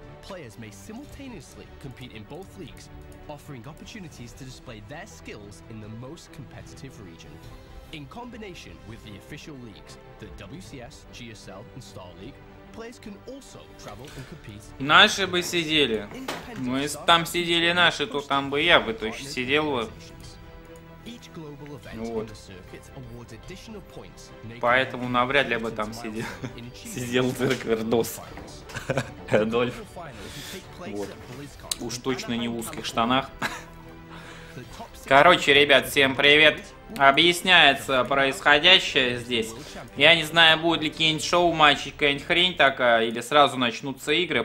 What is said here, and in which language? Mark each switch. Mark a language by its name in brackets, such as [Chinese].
[English] Players may simultaneously compete in both leagues, offering opportunities to display their skills in the most competitive region. In combination with the official leagues, the WCS, GSL, and Star League, players can also travel and compete. [Russian] Наши бы сидели. Ну, если бы там сидели наши, то там бы я бы точно сидел бы. [English] Each global event on the circuit awards additional points. [Russian] Поэтому навряд ли бы там сидел. Сидел Вердос. Эдольф. Вот. Уж точно не в узких штанах. Короче, ребят, всем привет. Объясняется происходящее здесь. Я не знаю, будет ли какие-нибудь шоу, матчи, какая-нибудь хрень такая, или сразу начнутся игры.